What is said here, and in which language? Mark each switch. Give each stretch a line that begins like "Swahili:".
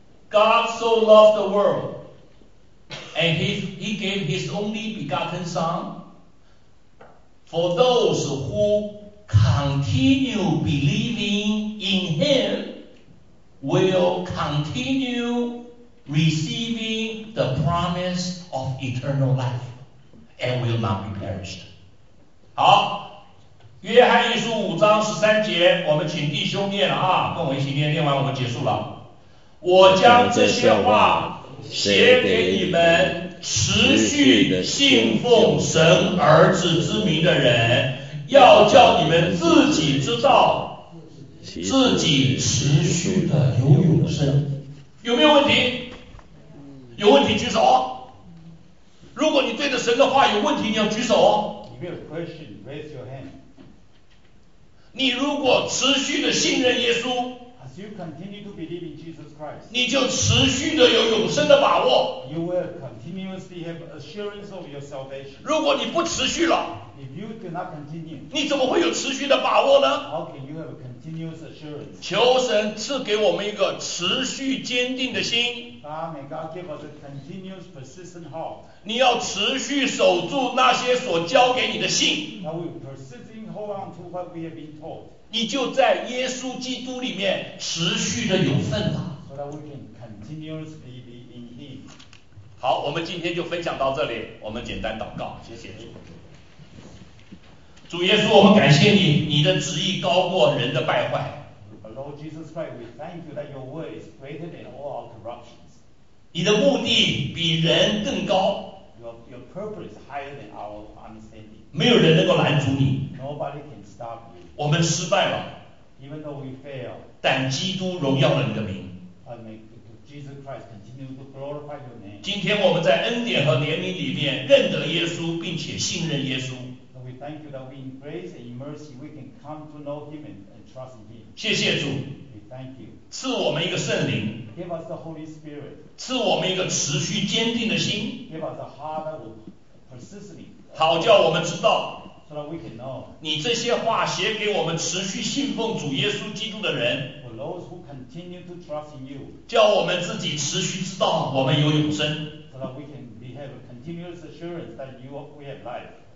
English: God so loved the world, and he gave his only begotten son, for those who continue believing in him will continue receiving the promise of eternal life and will not be perished.
Chinese: 好，约翰一书五章十三节，我们请弟兄念啊，跟我一起念，念完我们结束了。我将这些话写给你们持续信奉神儿子之名的人，要叫你们自己知道自己持续的有永生。有没有问题？有问题举手。如果你对着神的话有问题，你要举手。你没有
English: question, raise your hand。
Chinese: 你如果持续的信任耶稣，
English: As you continue to believe in Jesus Christ,
Chinese: 你就持续的有永生的把握。
English: You will continuously have assurance of your salvation.
Chinese: 如果你不持续了，
English: If you do not continue,
Chinese: 你怎么会有持续的把握呢？
English: How can you have a continuous assurance?
Chinese: 求神赐给我们一个持续坚定的心。
English: May God give us a continuous persistent heart.
Chinese: 你要持续守住那些所交给你的信。
English: Now we persistently hold on to what we have been taught.
Chinese: 你就在耶稣基督里面持续的有份了。
English: So that we can continuously be in Him.
Chinese: 好，我们今天就分享到这里，我们简单祷告，谢谢主。主耶稣，我们感谢你，你的旨意高过人的败坏。
English: Lord Jesus Christ, we thank you that your word is greater than all our corruption.
Chinese: 你的目的比人更高。
English: Your purpose is higher than our understanding.
Chinese: 没有人能够拦阻你。
English: Nobody can stop you.
Chinese: 我们失败了。
English: Even though we fail.
Chinese: 但基督荣耀了你的名。
English: Jesus Christ continues to glorify your name.
Chinese: 今天我们在恩典和怜悯里面认得耶稣，并且信任耶稣。
English: So we thank you that we embrace and in mercy we can come to know Him and trust in Him.
Chinese: 谢谢主。
English: Thank you.
Chinese: 赐我们一个圣灵。
English: Give us the Holy Spirit.
Chinese: 赐我们一个持续坚定的心。
English: Give us a heart that will persistently.
Chinese: 好叫我们知道。
English: So that we can know.
Chinese: 你这些话写给我们持续信奉主耶稣基督的人。
English: For those who continue to trust in you.
Chinese: 叫我们自己持续知道我们有永生。
English: So that we can have a continuous assurance that you we have life.